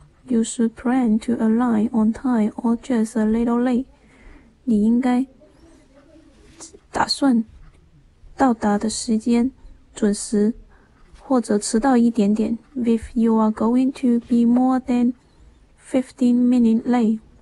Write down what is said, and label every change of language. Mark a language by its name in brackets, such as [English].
[English] You should plan to arrive on time or just a little late. [Chinese] 你应该打算到达的时间准时，或者迟到一点点。 [English] If you are going to be more than 15 minutes late.